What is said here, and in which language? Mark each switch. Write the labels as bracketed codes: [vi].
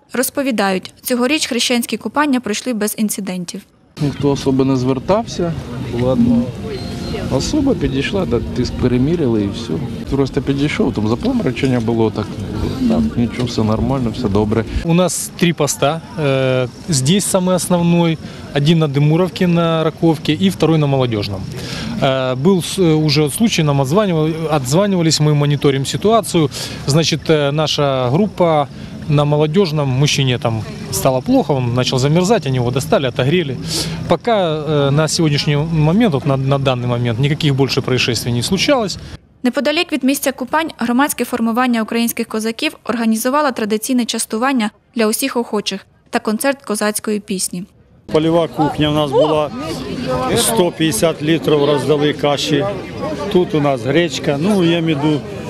[uk] Розповідають, цьогоріч хрещенські купання пройшли без інцидентів. Ніхто особо не звертався. Ладно. Особа підійшла, так ти спримірили і все. Просто підійшов, там запаморочення було, так, там нічого, все нормально, все добре. У нас три поста. [ru] Здесь самый основной, один на Демуровке, на Раковке, и второй на Молодежном. Был уже случай, нам отзванивались, мы мониторим ситуацию. Значит, наша группа на Молодежном, мужчине там стало плохо, он начал замерзать, они его достали, отогрели. Пока на сегодняшний момент, вот на данный момент, никаких больше происшествий не случалось. [uk] Неподалік від місця купань громадське формування українських козаків організувало традиційне частування для усіх охочих та концерт козацької пісні. Польова кухня у нас була, 150 літрів роздали каші, тут у нас гречка, ну я міду.